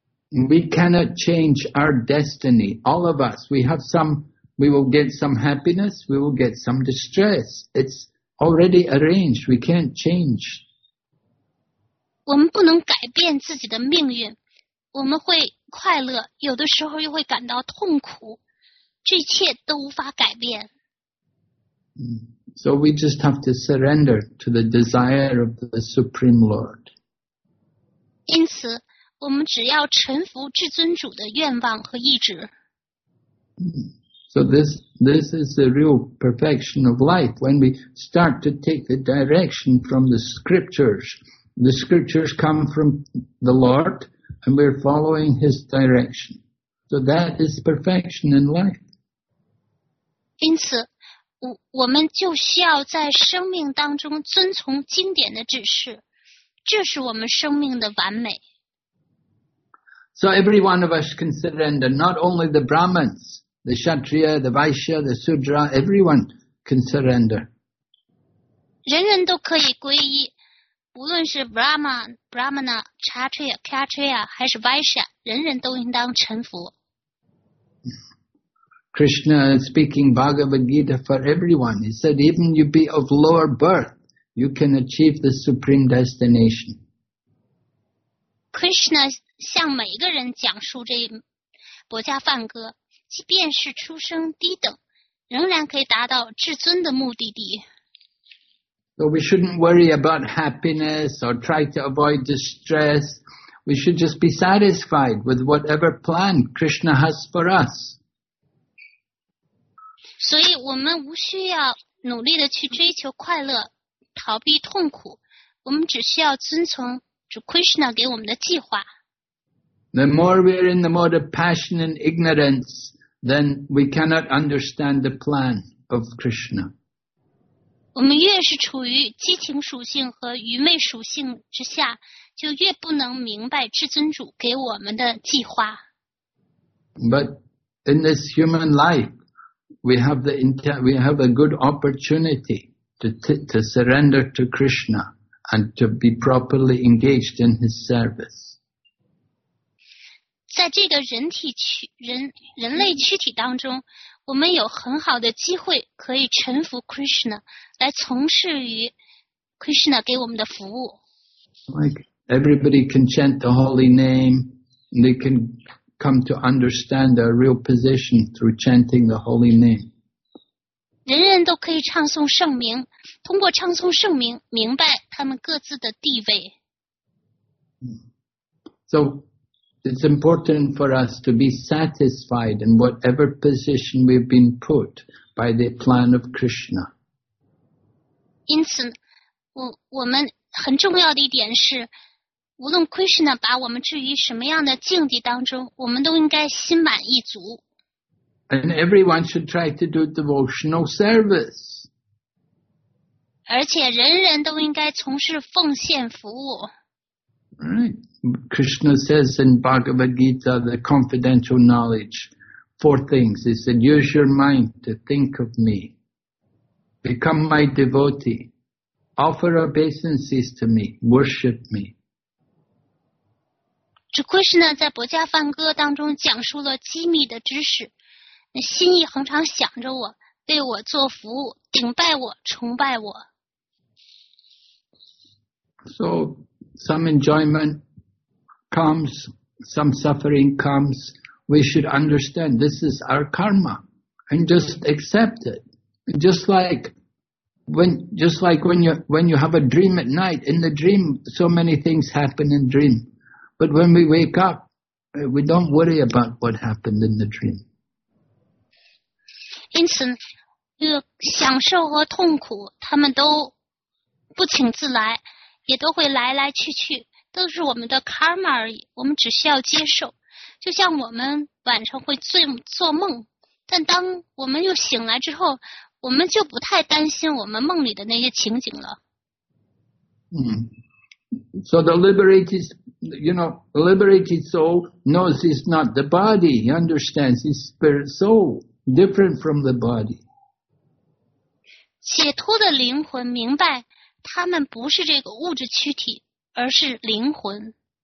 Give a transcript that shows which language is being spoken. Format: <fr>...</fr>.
<en>We cannot change our destiny. All of us, we will get some happiness, we will get some distress. It's already arranged. We can't change.</en> <zh>我们不能改变自己的命运。我们会快乐，有的时候又会感到痛苦。这一切都无法改变。</zh> <en>So we just have to surrender to the desire of the Supreme Lord.</en> <zh>因此我们只要臣服至尊主的愿望和意志。</zh> <en>So this is the real perfection of life. When we start to take the direction from the scriptures come from the Lord, and we're following His direction. So that is perfection in life.</en> <zh>因此，我们就需要在生命当中遵从经典的指示，这是我们生命的完美。</zh> <en>So every one of us can surrender, not only the Brahmins, the Kshatriya, the Vaishya, the Sudra, everyone can surrender.</en> <zh>人人都可以皈依，无论是 Brahman, Brahmana, Kshatriya, Kshatriya, 还是 Vaishya, 人人都应当臣服。</zh> <en>Krishna speaking Bhagavad Gita for everyone. He said, even you be of lower birth, you can achieve the supreme destination.</en> <zh>Krishna向每一个人讲述这一薄伽梵歌，即便是出生低等，仍然可以达到至尊的目的地。</zh> <en>So we shouldn't worry about happiness or try to avoid distress. We should just be satisfied with whatever plan Krishna has for us.</en> <zh>所以我们无需要努力的去追求快乐，逃避痛苦，我们只需要遵从主 Krishna 给我们的计划。</zh> <en>The more we are in the mode of passion and ignorance, then we cannot understand the plan of Krishna.</en> <zh>我们越是处于激情属性和愚昧属性之下，就越不能明白至尊主给我们的计划。</zh> <en>But in this human life, we have a good opportunity to surrender to Krishna and to be properly engaged in his service.</en> <zh>在这个人类躯体当中，我们有很好的机会可以臣服 Krishna， 来从事于 Krishna 给我们的服务。</zh> <en>Like everybody can chant the holy name, and they can come to understand their real position through chanting the holy name.</en> <zh>人人都可以唱诵圣名，通过唱诵圣名明白他们各自的地位。</zh> <en>So. It's important for us to be satisfied in whatever position we've been put by the plan of Krishna.</en> <zh>因此，我们很重要的一点是，无论 Krishna 把我们置于什么样的境地当中，我们都应该心满意足。</zh> <en>And everyone should try to do devotional service.</en> <zh>而且人人都应该从事奉献服务。</zh> <en>Right. Krishna says in Bhagavad Gita, the confidential knowledge, four things. He said, use your mind to think of me. Become my devotee. Offer obeisances to me. Worship me.</en> <zh>Krishna 在《薄伽梵歌》当中讲述了机密的知识。心意恒常想着我，为我做服务，顶拜我，崇拜我。</zh> <en>So,Some enjoyment comes, some suffering comes. We should understand this is our karma and just accept it. Just like when you have a dream at night, in the dream, so many things happen in dream. But when we wake up, we don't worry about what happened in the dream.</en> <zh>因此，享受和痛苦，他们都不请自来。也都会来来去去，都是我们的 karma 而已，我们只需要接受。就像我们晚上会做梦，但当我们又醒来之后，我们就不太担心我们梦里的那些情景了。</zh> <en>So the liberated soul knows he's not the body. He understands his spirit soul, different from the body.</en> <zh>解脱的灵魂明白他们不是这个物质躯体，而是灵魂。</zh>